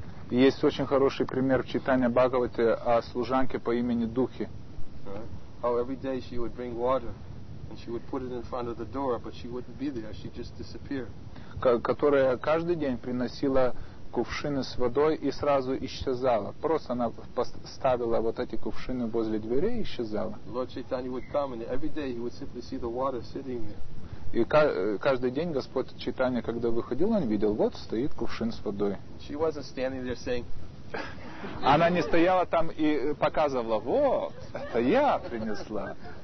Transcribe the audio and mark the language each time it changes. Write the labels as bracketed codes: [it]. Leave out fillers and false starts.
[ru] Есть очень хороший пример в Чайтанья Бхагавате о служанке по имени Духи. [en] How every day she would bring water and she would put it in front of the door, but she wouldn't be there, she'd just disappear. [ru] Которая каждый день приносила кувшины с водой и сразу исчезала. Просто она поставила вот эти кувшины возле двери и исчезала. [en] Lord Chaitanya would come and every day he would simply see the water sitting there. [ru] И каждый день Господь Чайтанья, когда выходил, он видел, вот стоит кувшин с водой. [en] She wasn't standing there saying... [ru] Она не стояла там и показывала, вот, это я принесла.